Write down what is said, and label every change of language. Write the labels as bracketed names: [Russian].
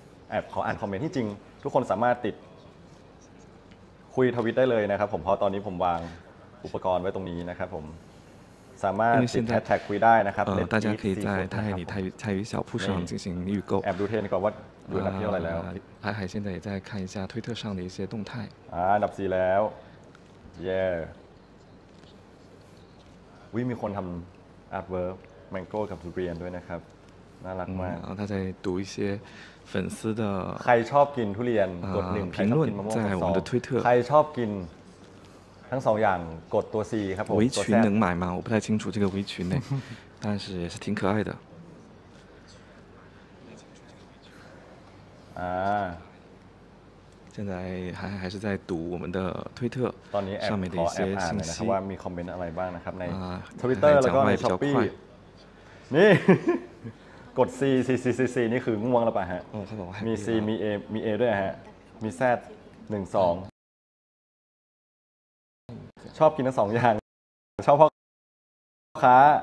[Thai] แอบขออ่านคอมเมนต์ที่จริงทุกคนสามารถติดคุยทวิตได้เลยนะครับผมเพราะตอนนี้ผมวางอุปกรณ์ไว้ตรงนี้นะครับผมสามารถติดแฮชแท็กคุยได้นะครับ [Chinese] 大家可以在泰里泰语泰语小铺上进行预购 [Thai] แอบดูเทนก่อนว่าดูอะไรแล้ว [Chinese] ไอไอ现在也在看一下推特上的一些动态 [Thai] อันดับสี่แล้วเย้วิมีคนทำอาร์ตเวิร์กแมงโก้กับทุเรียนด้วยนะครับน่ารักมาก ถ้าใจดู [Chinese] 一些粉丝的 [Thai] ใครชอบกินทุเรียนกดหนึ่ง [Chinese] 评论在我们的推特 [Thai] ใครชอบกินทั้งสองอย่างกดตัว C ครับผม [Chinese] 围裙能买吗我不太清楚这个围裙呢但是也是挺可爱的现在还是在读我们的推特上面的一些信息， [Thai] ว่ามีคอมเมนต์อะไรบ้างนะครับใน Twitter แล้วก็ใน Shopee นี่กด C C C C นี่คือง่วงแล้วป่ะฮะมี C มี A มี A ด้วยฮะมี Z 1 2ชอบกินทั้ง2อย่างชอบพ่อค้า